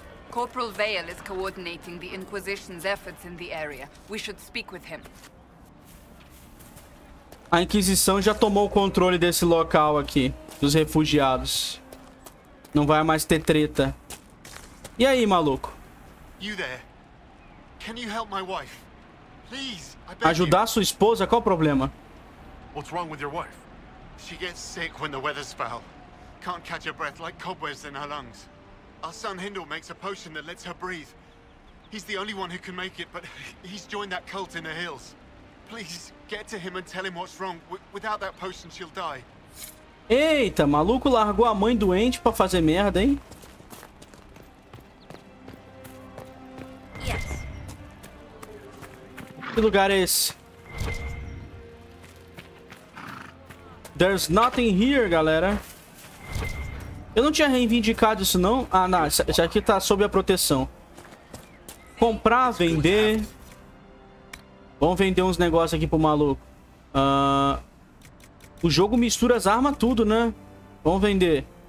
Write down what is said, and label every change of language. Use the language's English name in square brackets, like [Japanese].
[English] Corporal Vale is coordinating the Inquisition's efforts in the area. We should speak with him. [Portuguese] A Inquisição já tomou o controle desse local aqui, dos refugiados. Não vai mais ter treta. E aí, maluco? [English] You there? Can you help my wife? Please, I beg [Portuguese] you. Ajudar sua esposa? Qual o problema? [English] What's wrong with your wife? She gets sick when the weather's foul. Can't catch her breath like cobwebs in her lungs. Our son Hindle makes a potion that lets her breathe. He's the only one who can make it, but he's joined that cult in the hills. Please, get to him and tell him what's wrong. Without that potion, she'll die. [Portuguese] Eita, maluco largou a mãe doente pra fazer merda, hein? [English] Yes. [Portuguese] Que lugar é esse? [English] There's nothing here, galera. [Portuguese] Eu não tinha reivindicado isso, não. Ah, não. Isso aqui tá sob a proteção. Comprar, vender. Vamos vender uns negócios aqui pro maluco. O jogo mistura as armas tudo, né? Vamos vender.